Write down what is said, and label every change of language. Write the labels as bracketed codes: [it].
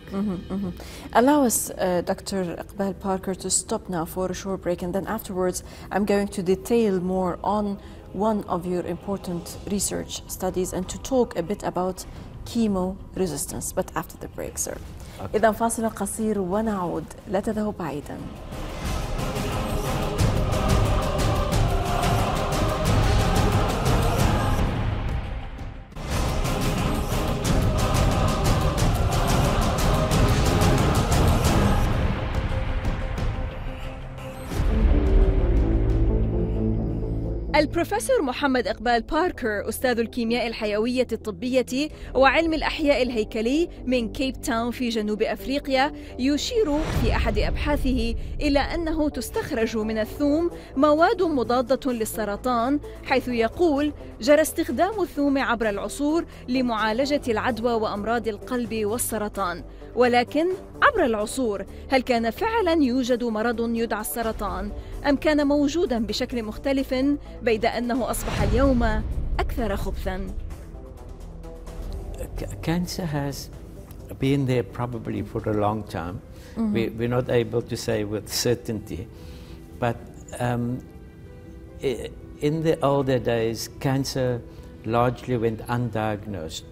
[en] Mm-hmm, mm-hmm. Allow us, Dr. Iqbal Parker, to stop now for a short break, and then afterwards I'm going to detail more on one of your important research studies and to talk a bit about chemo resistance, but after the break, sir. Okay. [ar] إذن فاصل قصير ونعود، لا تذهب بعيدا. البروفيسور محمد إقبال باركر أستاذ الكيمياء الحيوية الطبية وعلم الأحياء الهيكلي من كيب تاون في جنوب أفريقيا يشير في أحد أبحاثه إلى أنه تستخرج من الثوم مواد مضادة للسرطان، حيث يقول جرى استخدام الثوم عبر العصور لمعالجة العدوى وأمراض القلب والسرطان، ولكن عبر العصور هل كان فعلاً يوجد مرض يدعى السرطان؟ أم كان موجوداً بشكل مختلف بيد أنه أصبح اليوم أكثر خبثاً؟ [en] Cancer has been there probably for a long time. Mm-hmm. We're not able to say with certainty. But in the older days, cancer largely went undiagnosed.